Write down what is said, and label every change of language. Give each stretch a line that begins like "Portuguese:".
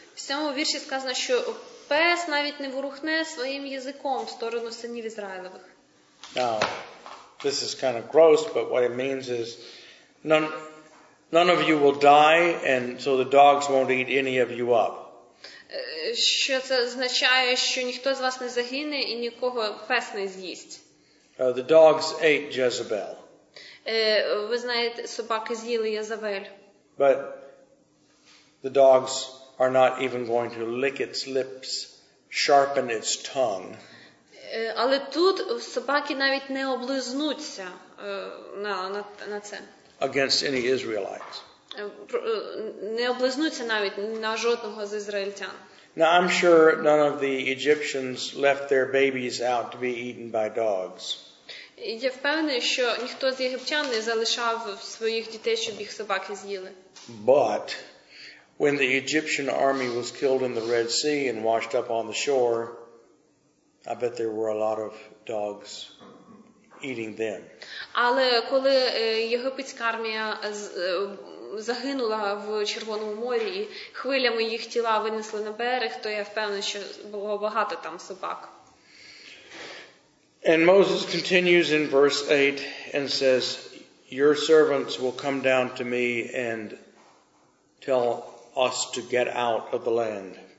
Ukrainian: В цьому вірші сказано, що пес навіть не ворухне своїм язиком в сторону синів Ізраїлевих.
English: Now, this is kind of gross, but what it means is none of you will die, and so the dogs won't eat any of you up.
Ukrainian: Що це означає, що ніхто з вас не загине і нікого пес не з'їсть.
English: The dogs ate Jezebel.
Ukrainian: Ви знаєте, собаки з'їли Єзавель.
English: But the dogs are not even going to lick its lips, sharpen its tongue.
Ukrainian: Але тут собаки навіть не облизнуться на це.
English: Against any Israelites.
Ukrainian: Не облизнуться навіть на жодного з ізраїльтян.
English: Now I'm sure none of the Egyptians left their babies out to be eaten by dogs.
Ukrainian: Я впевнений, що ніхто з єгиптян не залишав своїх дітей, щоб їх собаки з'їли.
English: But when the Egyptian army was killed in the Red Sea and washed up on the shore, I bet there were a lot of dogs eating them.
Ukrainian: Але коли єгипетська армія загинула в Червоному морі і хвилями їх тіла винесли на берег, то я впевнений, що було багато там собак.
English: And Moses continues in verse 8 and says, your servants will come down to me and tell us to get out of the land.